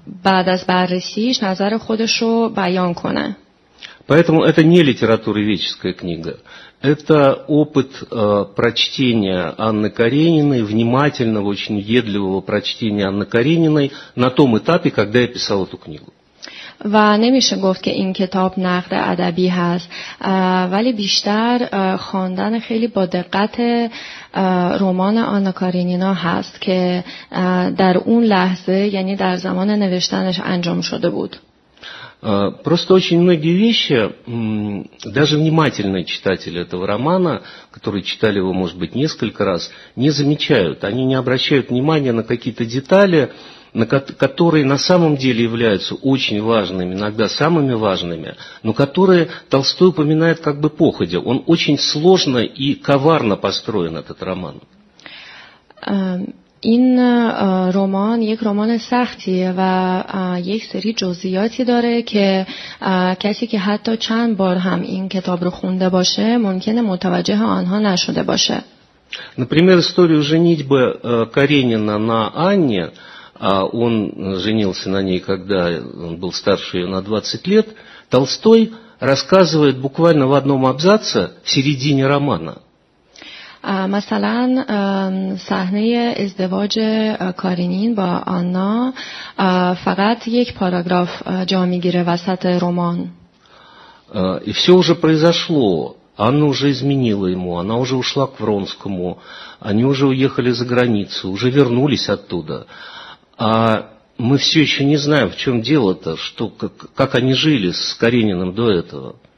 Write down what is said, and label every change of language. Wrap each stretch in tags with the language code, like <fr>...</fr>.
<fa>بعد از بررسیش نظر خودش رو بیان کنه.</fa> <ru>Поэтому это не литературоведческая книга. Это опыт прочтения Анны Карениной, внимательного, очень въедливого прочтения Анны Карениной на том этапе, когда я писал эту книгу.</ru> <fa>و نمیشه گفت که این کتاب نقد ادبی هست ولی بیشتر خواندن خیلی با دقت رمان آنا کارینینا هست که در اون لحظه یعنی در زمان نوشتنش انجام شده بود.</fa> <ru>Просто очень многие вещи, даже внимательные читатели этого романа, которые читали его, может быть, несколько раз, не замечают. Они не обращают внимания на какие-то детали, которые на самом деле являются очень важными, иногда самыми важными, но которые Толстой упоминает как бы походя. Он очень сложно и коварно построен, этот роман.</ru> <fa>این رمان یک رمان سختیه و یک سری جزئیاتی داره که کسی که حتی چند بار هم این کتاب رو خونده باشه ممکنه متوجه آنها نشده باشه.</fa> <ru>Например, историю женитьбы Каренина на Анне, он женился на ней, когда он был старше ее на 20 лет, Толстой рассказывает буквально в одном абзаце в середине романа.</ru> <fa>مثلا صحنه ازدواج کارینین با آنا فقط یک پاراگراف جا میگیره وسط رمان.</fa> <ru>И всё уже произошло. Анна уже изменила ему, она уже ушла к Вронскому, они уже уехали за границу, уже вернулись оттуда. А мы всё ещё не знаем, в чём дело-то, что как они жили с Карениным до этого.</ru>